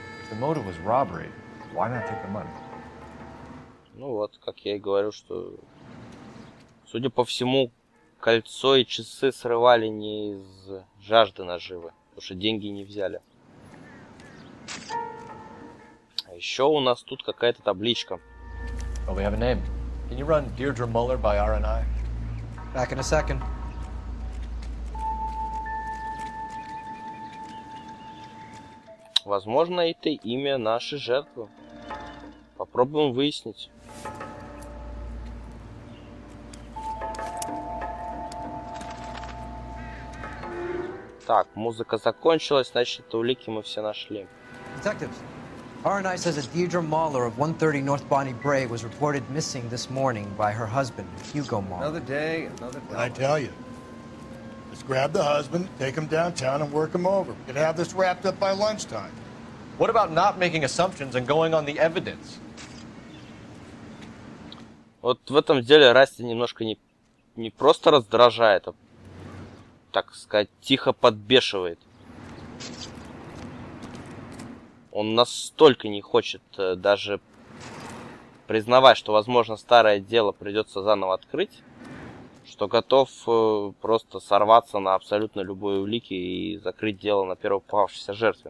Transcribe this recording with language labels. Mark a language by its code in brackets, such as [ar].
[en] the motive was robbery, why not take the money? [ru] Ну вот, как я и говорю, что, судя по всему, кольцо и часы срывали не из жажды наживы, потому что деньги не взяли. А еще у нас тут какая-то табличка. [en] Well, we have a name. Can you run Deirdre Muller by R&I? Back in a second. [ru] Возможно, это имя нашей жертвы. Попробуем выяснить. Так, музыка закончилась, значит, улики мы все нашли. [en] Detectives, R&I says that Deirdre Mahler of 130 North Bonnie Bray was reported missing this morning by her husband, Hugo Mahler. Another day, another problem. I tell you, let's grab the husband, take him downtown and work him over. We could have this wrapped up by lunchtime. What about not making assumptions and going on the evidence? [ru] Вот в этом деле Расти немножко не просто раздражает, а, так сказать, тихо подбешивает. Он настолько не хочет даже признавать, что, возможно, старое дело придется заново открыть, что готов просто сорваться на абсолютно любые улики и закрыть дело на первой попавшейся жертве.